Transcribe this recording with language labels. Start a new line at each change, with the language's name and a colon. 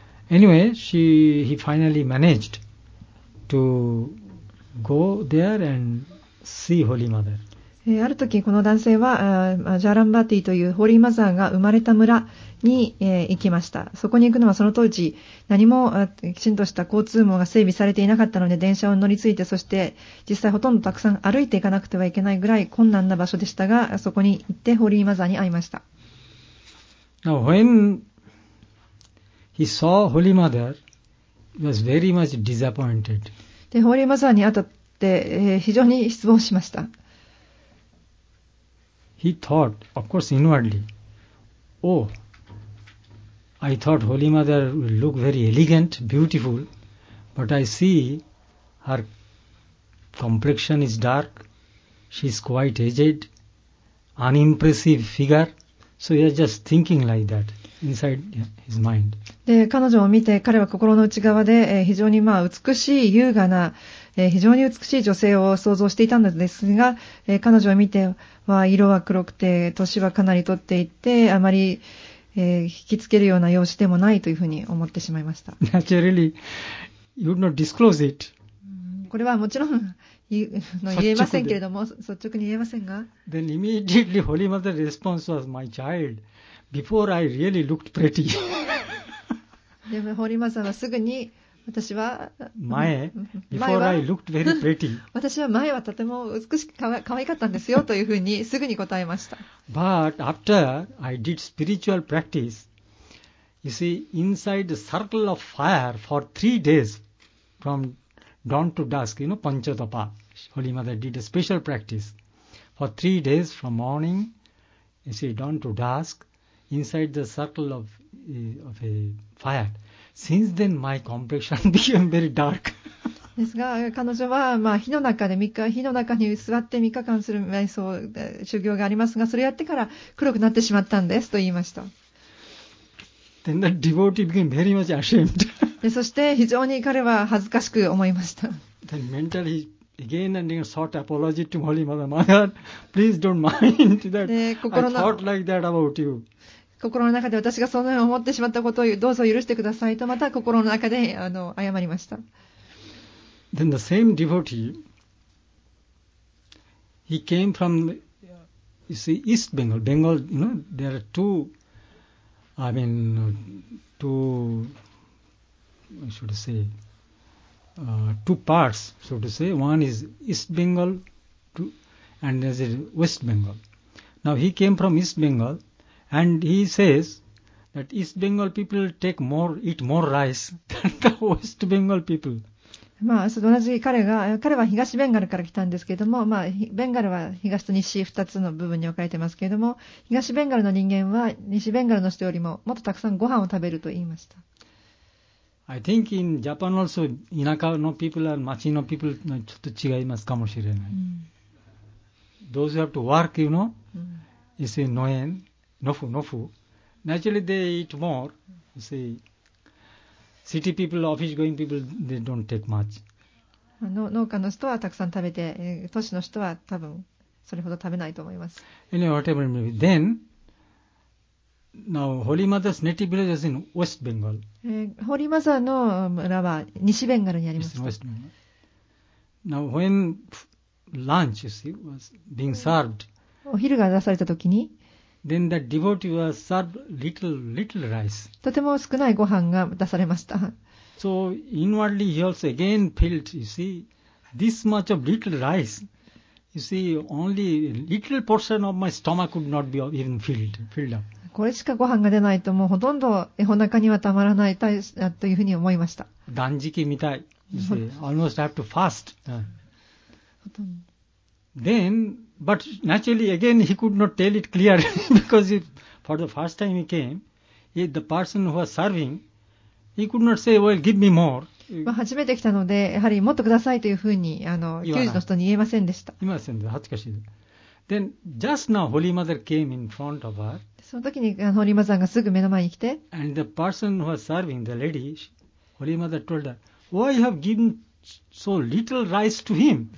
English: Anyway, he finally managed to go there and see Holy Mother.
Japanese: ある時この男性はジャランバティというホーリーマザーが生まれた村に行きました。そこに行くのはその当時何もきちんとした交通網が整備されていなかったので、電車を乗り継いで、そして実際ほとんどたくさん歩いていかなくてはいけないぐらい困難な場所でしたが、そこに行ってホーリーマザーに会いました。
English: Now when he saw Holy Mother, he was very much disappointed.
Japanese: でホーリーマザーに会ったって、非常に失望しました。
English: He thought, of course, inwardly, Oh, I thought Holy Mother will look very elegant, beautiful, but I see her complexion is dark, she is quite aged, unimpressive figure. So he was just thinking like that inside his mind.
Japanese: で、彼女を見て彼は心の内側で、非常にまあ美しい優雅な非常に美しい女性を想像していたんですが、彼女を見ては色は黒くて年はかなり取っていて、あまり、引きつけるような容姿でもないというふうに思ってしまいました。
English: Naturally, you would not disclose it.
Japanese: これはもちろん言えませんけれども、率直に言えませんが、
English: Then immediately Holy Mother's response was, My child, before I really looked pretty.
Japanese: でもホーリーマザーはすぐに、私は前、
English: Before I looked very pretty.
Japanese: 私は前はとても美しく可愛かったんですよというふうにすぐに答えました。
English: But after I did spiritual practice, you see, inside the circle of fire for 3 days, from dawn to dusk, you know, Panchatapa, Holy Mother did a special practice for 3 days from morning, you see, dawn to dusk, inside the circle of a fire. Since then, my complexion became very dark.
Japanese: ですが、彼女は、まあ、火の中に座って3日間する瞑想修行がありますが、それをやってから黒くなってしまったんですと言いました。
English: Then the devotee became very much ashamed.
Japanese: で、そして非常に彼は恥ずかしく思いました。
English: Then mentally again and again sought apology to Holy Mother. Mother, please don't mind that. I thought like that about you.
Japanese: 心の中で私がそのように思ってしまったことをどうぞ許してくださいと、また心の中で謝りました。
English: Then the same devotee, he came from, you see, East Bengal. Bengal, you know, there are two parts, so to say. One is East Bengal, and there's West Bengal. Now he came from East Bengal. And he says that East Bengal people eat more rice than the West Bengal people.
Japanese: まあ、同じ彼は東ベンガルから来たんですけれども、まあ、ベンガルは東と西2つの部分に分かれてますけれども、東ベンガルの人間は西ベンガルの人よりももっとたくさんご飯を食べると言いました。
English: I think in Japan also,
Japanese: 田舎の
English: people and
Japanese: 町の
English: people
Japanese: のちょっと違いますかもしれない。
English: Those who have to work, you know, is in Noen. No food. Naturally, they eat more. You see, city people, office going people, they don't take much.
Japanese: 農家の人はたくさん食べて、都市の人は多分それほど食べないと思います。
English: Anyway, whatever it may be. Then, now, Holy Mother's native village is in West Bengal.
Japanese: Holy Mother の村は西ベンガルにあります。
English: West Bengal. Now, when lunch, you see, was being served,
Japanese: お昼が出されたときに、
English: Then the devotee was served little rice.
Japanese: とても少ないご飯が出されました。
English: So inwardly he also again felt, you see, this much of little rice, you see, only little portion of my stomach could not be even filled up.
Japanese: これしかご飯が出ないと、もうほとんどお腹にはたまらないというふうに思いました。断食みたい。
English: You see, almost have to fast. Then. But naturally, again, he could not tell it clearly because for the first time he came, the person who was serving, he could not say, well, give me more.
Japanese: まあ、初めて来たので、やはりもっとくださいというふうに、給仕の人に言えませんでした。言いませんでした。恥ずかしいです。
English: Then just now Holy Mother came in front of her.
Japanese: その時にホーリーマザーがすぐ目の前に来て。
English: And the person who was serving the lady, Holy Mother told her, "Why you have given so little rice to him?